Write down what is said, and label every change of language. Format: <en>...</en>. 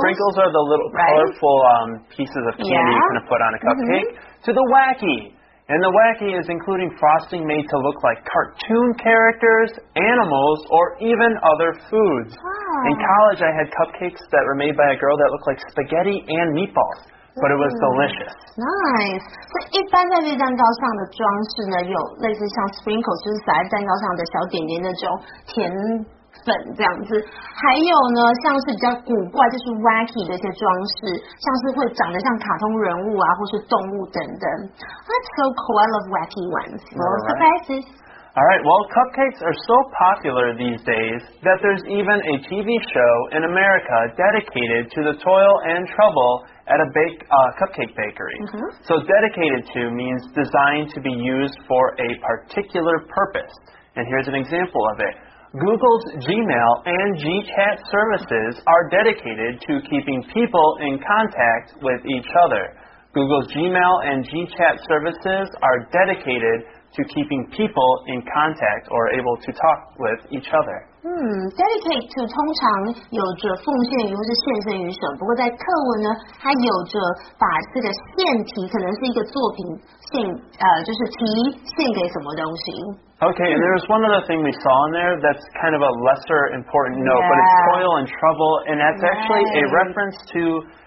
<en>Sprinkles are the little colorful pieces of candy you can put on a cupcake. Mm-hmm. To the wacky. And the wacky is including frosting made to look like cartoon characters, animals, or even other foods. Wow. In college, I had cupcakes that were made by a girl that looked like spaghetti and meatballs. But it was delicious. Nice.</en> <zh>所以一般在这蛋糕上的装饰呢，有类似像 sprinkle， 就是撒在蛋糕上的小点点那种甜粉这样子。还有呢，像是比较古怪，就是 wacky 的一些装饰，像是会长得像卡通人物啊，或是动物等等。</zh> <en>That's so cool. I love wacky ones. Well, surprises. All right. Well, cupcakes are so popular these days that there's even a TV show in America dedicated to the toil and trouble. At a cupcake bakery. Mm-hmm. So dedicated to means designed to be used for a particular purpose. And here's an example of it. Google's Gmail and GChat services are dedicated to keeping people in contact with each other. Google's Gmail and GChat services are dedicated to keeping people in contact or able to talk with each other.</en> <zh>Dedicate to 通常有着奉献于或是献身于什么，不过在课文呢，它有着把这个献题可能是一个作品献，就是题献给什么东西。</zh> <en>Okay, and there's one other thing we saw in there that's kind of a lesser important note, but it's toil and trouble, and that's actually a reference to...</en>